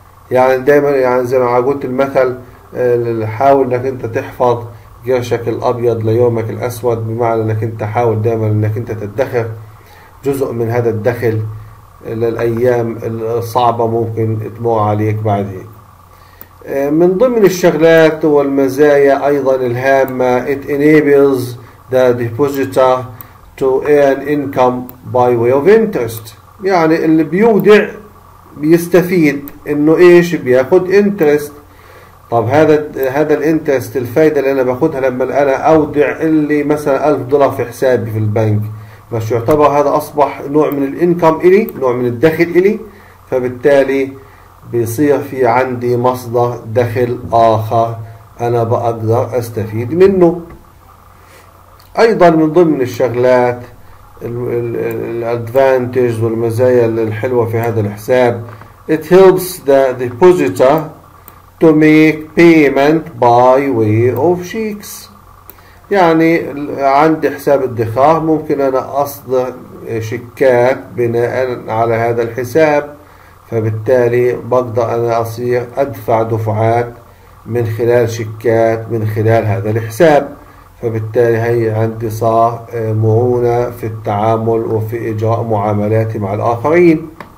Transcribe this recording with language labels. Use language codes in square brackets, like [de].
[ar] يعني دائما يعني زي ما قلت المثل، حاول انك انت تحفظ قرشك الابيض ليومك الاسود، بمعنى انك انت حاول دائما انك انت تدخر جزء من هذا الدخل للايام الصعبه ممكن تمر عليك بعدين. من ضمن الشغلات والمزايا ايضا الهامه [en] it enables the depositor to earn income by way of interest. [ar] يعني اللي بيودع بيستفيد انه ايش؟ بياخد انترست. طب هذا الانترست، الفايده اللي انا باخدها لما انا اودع اللي مثلا 1000 دولار في حسابي في البنك، بس يعتبر هذا اصبح نوع من الانكم الي، نوع من الدخل الي، فبالتالي بيصير في عندي مصدر دخل اخر انا بقدر استفيد منه. ايضا من ضمن الشغلات الادفانتج والمزايا الحلوه في هذا الحساب، [en] it helps the depositor to make payment by way of checks. [ar] يعني عندي حساب ادخار ممكن انا اصدر شيكات بناء على هذا الحساب، فبالتالي بقدر انا اصير ادفع دفعات من خلال شيكات من خلال هذا الحساب، فبالتالي هي عندي صار مرونة في التعامل وفي إجراء معاملاتي مع الآخرين.